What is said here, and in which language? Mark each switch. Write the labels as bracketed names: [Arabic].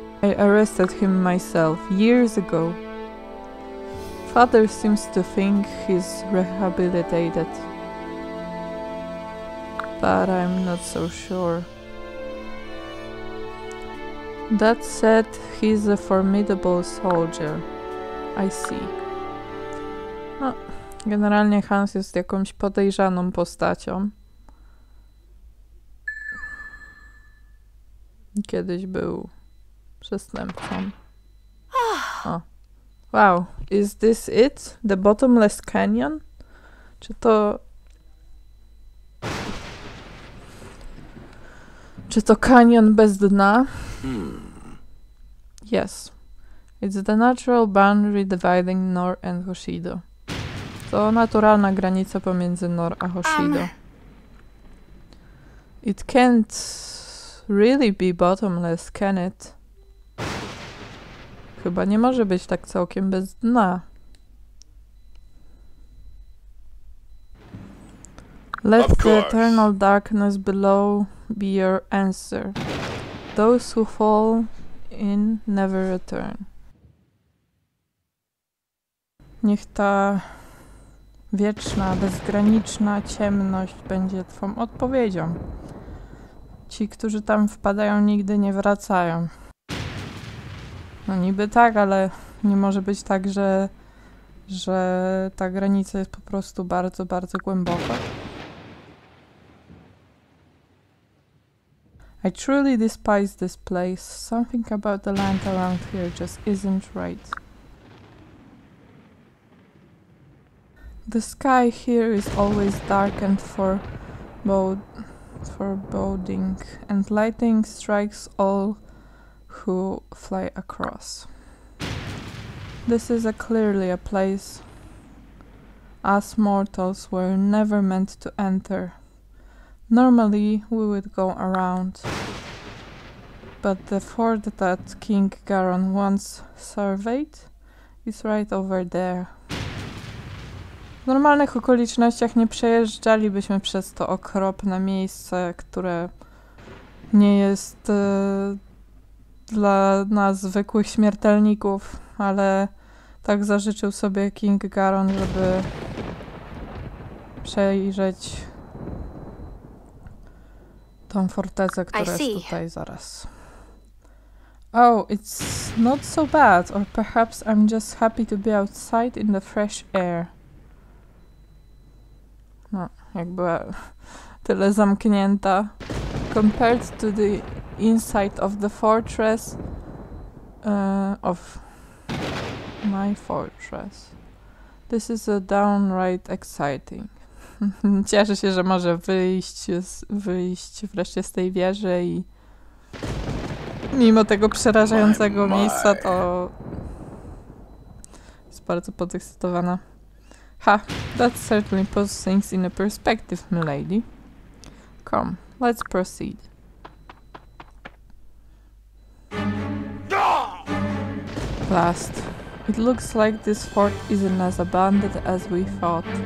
[English] I arrested him myself years ago. Father seems to think he's rehabilitated. But I'm not so sure. That said, he's a formidable soldier. I see. [Polish] No, generalnie Hans jest jakąś podejrzaną postacią. Kiedyś był przestępcą. Oh. [English] Wow, is this it? The bottomless canyon? [Polish] Czy to kanion bez dna? [English] Yes. It's the natural boundary dividing Nor and Hoshido. [Polish] To naturalna granica pomiędzy Nor a Hoshido. [English] It can't really be bottomless, can it? [Polish] Chyba nie może być tak całkiem bez dna. [English] Let the eternal darkness below be your answer. Those who fall in never return. [Polish] Niech ta wieczna, bezgraniczna ciemność będzie twą odpowiedzią. Ci, którzy tam wpadają, nigdy nie wracają. No niby tak, ale nie może być tak, że ta granica jest po prostu bardzo, bardzo głęboka. [English] I truly despise this place. Something about the land around here just isn't right. The sky here is always dark and foreboding, and lightning strikes all who fly across. This is clearly a place us mortals were never meant to enter. Normally, we would go around. But the fort that King Garon once surveyed is right over there. [Polish] W normalnych okolicznościach nie przejeżdżalibyśmy przez to okropne miejsce, które nie jest dla nas zwykłych śmiertelników, ale tak zażyczył sobie King Garon, żeby przejrzeć tą fortecę, która jest tutaj zaraz. [English] Oh, it's not so bad, or perhaps I'm just happy to be outside in the fresh air. [Polish] No, jak była tyle zamknięta. [English] Compared to the inside of the fortress, of my fortress, this is a downright exciting. [Polish] Cieszę się, że może wyjść wreszcie z tej wieży i mimo tego przerażającego miejsca, to jest bardzo podekscytowana. [English] Ha, that certainly puts things in a perspective, m'lady. Come, let's proceed. Blast. It looks like this fort isn't as abandoned as we thought.